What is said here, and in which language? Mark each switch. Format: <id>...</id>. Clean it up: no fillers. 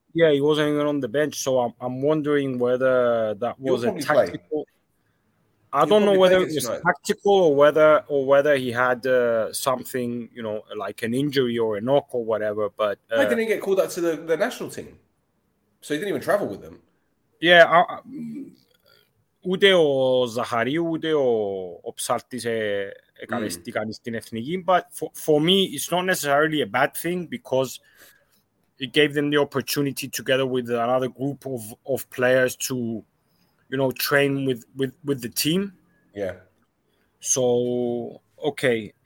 <en>Yeah, he wasn't even on the bench. So I'm wondering whether that was a tactical... Play. I don't know whether it was tactical or whether he had something, you know, like an injury or a knock or whatever. But why didn't he get called up to the national team? So he didn't even travel with them.</en> <el>Yeah, ούτε ο Ζαχαρίου ούτε ο Ψάρτης εκαλεστήκαν στην εθνική.</el> <en>But for me, it's not necessarily a bad thing because it gave them the opportunity together with another group of players to, you know, train with the team. Yeah. So, okay.</en>